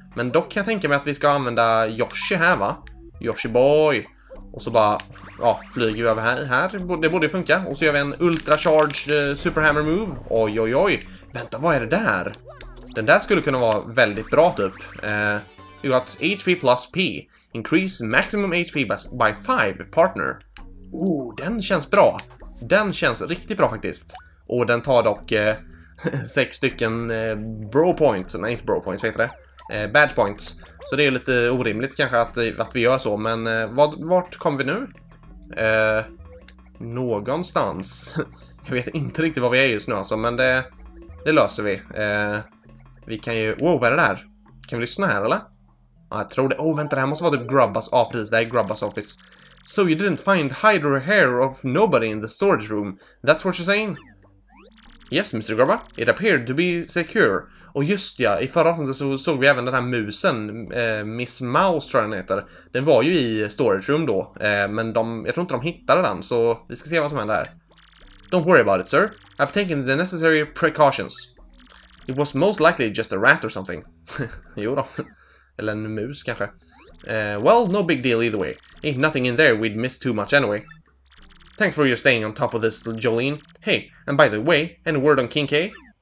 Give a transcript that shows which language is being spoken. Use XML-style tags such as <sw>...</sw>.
<sv>Men dock kan jag tänka mig att vi ska använda Yoshi här, va? Yoshi boy. Och så bara, ja, flyger vi över här. Det borde ju funka. Och så gör vi en Ultra Charge Superhammer Move. Oj, oj, oj. Vänta, vad är det där? Den där skulle kunna vara väldigt bra typ. HP plus P.</sv> <en>Increase maximum HP by 5, partner.</en> <sv>Oh, den känns bra. Den känns riktigt bra faktiskt. Och den tar dock 6 stycken bro points. Nej, inte bro points, heter det. Badge points. Så det är lite orimligt kanske att vi gör så. Men vart kom vi nu? Någonstans. Jag vet inte riktigt var vi är just nu alltså. Men det löser vi. Vi kan ju, wow, vad är det där? Kan vi lyssna här eller? Ja, jag tror det, oh vänta, det här måste vara typ Grubbas. Ja, precis, det är Grubbas office.</sv> <en>So you didn't find hide or hair of nobody in the storage room. That's what you're saying? Yes, Mr. Grubba. It appeared to be secure.</en> <sv>Och just ja, i förra avsnittet så såg vi även den här musen, Miss Mouse tror jag den heter. Den var ju i storage room då, men jag tror inte de hittade den, så vi ska se vad som händer här.</sv> <en>Don't worry about it, sir. I've taken the necessary precautions. It was most likely just a rat or something.</en> <sv>Jo då. Eller en mus kanske.</sv> <en>Well, no big deal either way. Ain't nothing in there we'd miss too much anyway. Thanks for your staying on top of this, Jolene. Hey, and by the way, any word on King K?</en>